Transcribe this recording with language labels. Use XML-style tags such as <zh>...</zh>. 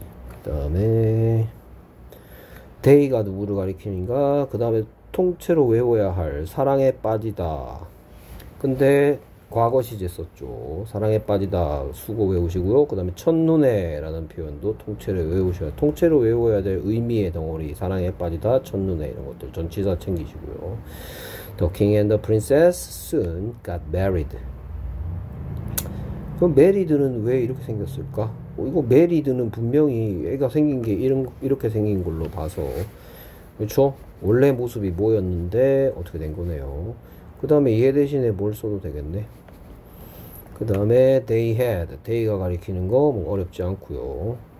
<ko>그 다음에 데이가 누구를 가리키는가? 그 다음에 통째로 외워야 할 사랑에 빠지다. 근데 과거 시제 썼죠. 사랑에 빠지다 수고 외우시고요. 그 다음에 첫눈에라는 표현도 통째로 외우셔야, 통째로 외워야 될 의미의 덩어리. 사랑에 빠지다, 첫눈에 이런 것들 전치사 챙기시고요.</ko> <en>The king and the princess soon got married.</en> <ko>그럼 메리드는 왜 이렇게 생겼을까? 이거 메리드는 분명히 애가 생긴 게 이렇게 생긴 걸로 봐서. 그렇죠? 원래 모습이 뭐였는데 어떻게 된 거네요. 그 다음에 얘 대신에 뭘 써도 되겠네. 그 다음에 they had, they가 가리키는 거뭐 어렵지 않고요.</ko>